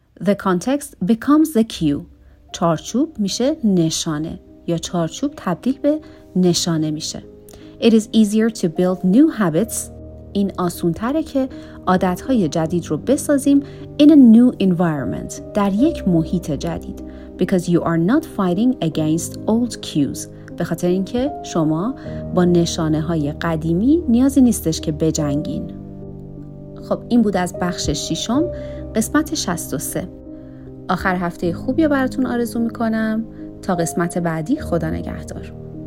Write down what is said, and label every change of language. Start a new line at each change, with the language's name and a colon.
English: The context becomes the cue.
Persian: چارچوب میشه نشانه یا چارچوب تبدیل به نشانه میشه.
English: It is easier to build new habits.
Persian: این آسون تره که عادتهای جدید رو بسازیم
English: in a new environment.
Persian: در یک محیط جدید.
English: Because you are not fighting against old cues.
Persian: به خاطر اینکه شما با نشانه های قدیمی نیازی نیستش که بجنگین. خب این بود از بخش ششم قسمت 63. آخر هفته خوبی براتون آرزو میکنم. تا قسمت بعدی خدا نگهدار.